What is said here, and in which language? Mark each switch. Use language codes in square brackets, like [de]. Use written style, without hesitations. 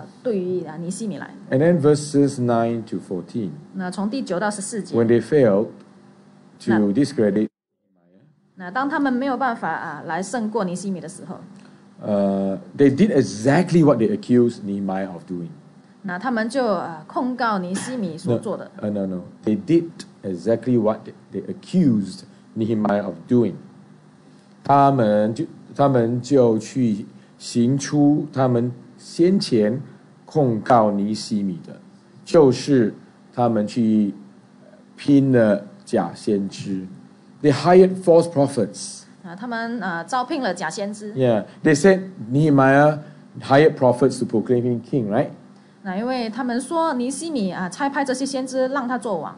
[zh] 那他们就谋算了这个恶报对于尼希米来。 [en] And then verses 9 to 14. [zh] 那从第9到14节。 [en] When they failed to discredit Nehemiah. [zh] 那当他们没有办法来胜过尼希米的时候。 [en] They did exactly what they accused Nehemiah of doing. [zh] 那他们就控告尼希米所做的。 [en] No. They did exactly what they accused Nehemiah of doing. [zh] 他们就去行出他们先前控告尼希米的，就是他们去拼了假先知。 [en] They hired false prophets. [zh] 他们招聘了假先知。 [en] They said Nehemiah hired prophets to proclaim him king, right? [zh] 那因为他们说尼希米差派这些先知让他做王。